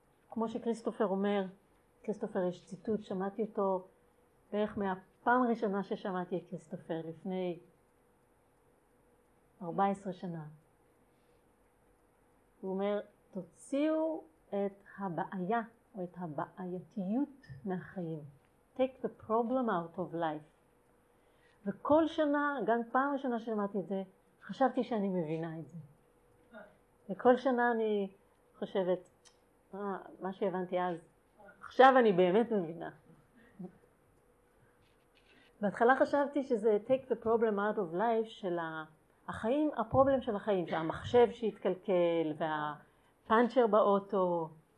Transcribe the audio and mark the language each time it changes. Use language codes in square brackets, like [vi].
[he] כמו שכריסטופר אומר, כריסטופר, יש ציטוט, שמעתי אותו בערך מהפעם הראשונה ששמעתי את כריסטופר, לפני 14 שנה. הוא אומר, תוציאו את הבעיה או את הבעייתיות מהחיים. [en] Take the problem out of life. [he] וכל שנה, גם פעם השנה ששמעתי את זה, חשבתי שאני מבינה את זה. וכל שנה אני חושבת, מה שהבנתי אז, עכשיו אני באמת מבינה. בהתחלה חשבתי שזה [en] take the problem out of life [he] של החיים, הפרובלם של החיים, שהמחשב שהתקלקל והפנצ'ר באוטו.